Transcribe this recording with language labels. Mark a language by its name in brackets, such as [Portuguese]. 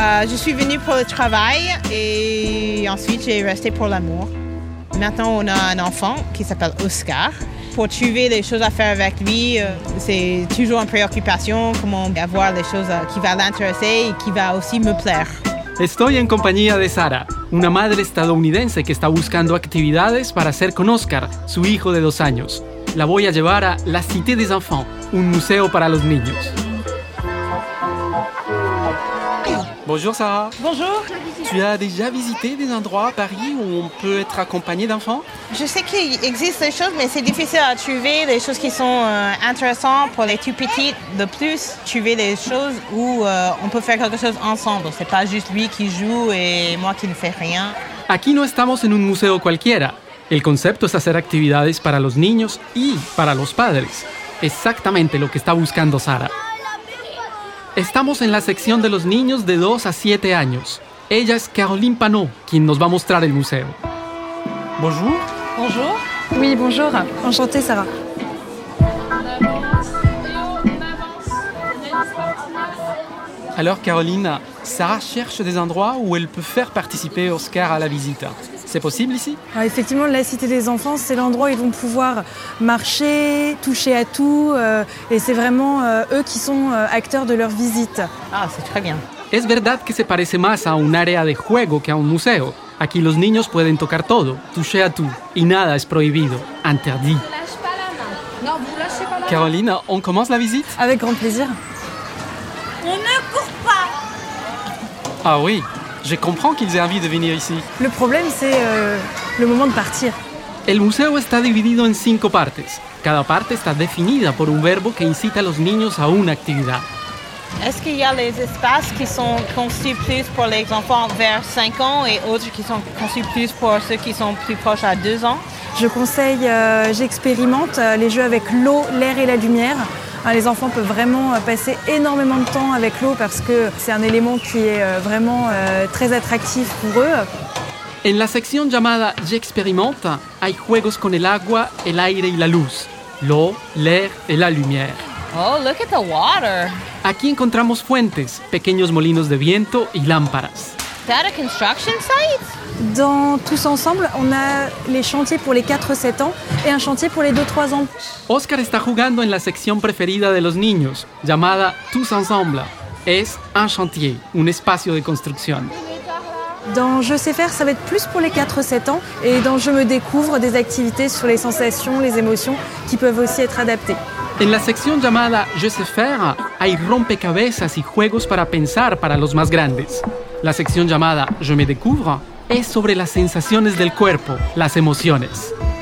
[French] Je suis venue pour le travail et ensuite j'ai resté pour l'amour. Maintenant on a un enfant qui s'appelle Oscar. Pour trouver les choses à faire avec lui, c'est toujours une préoccupation, comment avoir les choses qui vont l'intéresser et qui vont aussi me plaire. [Spanish] Estoy en compañía de Sara, una madre estadounidense que está buscando actividades para hacer con Oscar, su hijo de 2 años. La voy a llevar a la Cité des Enfants, un museo para los niños. [French] Bonjour Sarah. Bonjour. Tu as déjà visité des endroits à Paris où on peut être accompagné d'enfants? Je sais qu'il existe des choses, mais c'est difficile à trouver des choses qui sont intéressantes pour les tout petits. De plus, trouver des choses où on peut faire quelque chose ensemble. C'est pas juste lui qui joue et moi qui ne fais rien. [Spanish] Aquí no estamos en un museo cualquiera. El concepto es hacer actividades para los niños y para los padres. Exactamente lo que está buscando Sara. Estamos en la sección de los niños de 2 a 7 años. Ella es Caroline Panot, quien nos va a mostrar el museo. [French] Bonjour. Bonjour. Oui, bonjour. Enchanté, Sarah. Alors, Caroline, Sarah cherche des endroits où elle peut faire participer Oscar à la visite. C'est possible ici ? Ah, effectivement, la Cité des Enfants, c'est l'endroit où ils vont pouvoir marcher, toucher à tout. Et c'est vraiment eux qui sont acteurs de leur visite. Ah, c'est très bien. [Spanish] Es verdad que se parece más a un área de juego que a un museo. Aquí los niños pueden tocar todo, [French] toucher à tout, [Spanish] y nada es prohibido, interdit. [French] Lâche pas la main. Non, vous lâchez pas la main. Caroline, on commence la visite ? Avec grand plaisir. On ne court pas. Ah oui, je comprends qu'ils aient envie de venir ici. Le problème, c'est le moment de partir. [Spanish] El museo está dividido en 5 partes. Cada parte está definida por un verbo que incita a los niños a una actividad. [French] Est-ce qu'il y a les espaces qui sont conçus plus pour les enfants vers 5 ans et autres qui sont conçus plus pour ceux qui sont plus proches à 2 ans? Je conseille, j'expérimente les jeux avec l'eau, l'air et la lumière. Les enfants peuvent vraiment passer énormément de temps avec l'eau parce que c'est un élément qui est vraiment très attractif pour eux. [Spanish] En la sección llamada J'expérimente, hay juegos con el agua, el aire y la luz. [French] L'eau, l'air et la lumière. [English] Oh, look at the water. [Spanish] Aquí encontramos fuentes, pequeños molinos de viento y lámparas. [English] Is that a construction site? [French] Dans Tous Ensemble, on a les chantiers pour les 4-7 ans et un chantier pour les 2-3 ans. [Spanish] Oscar está jugando en la sección preferida de los niños, llamada Tous Ensemble. Es un chantier, un espacio de construcción. [French] Dans Je sais faire, ça va être plus pour les 4-7 ans et dans Je me découvre, des activités sur les sensations, les émotions qui peuvent aussi être adaptées. [Spanish] En la sección llamada Je sais faire, hay rompecabezas y juegos para pensar para los más grandes. La sección llamada Je me découvre es sobre las sensaciones del cuerpo, las emociones.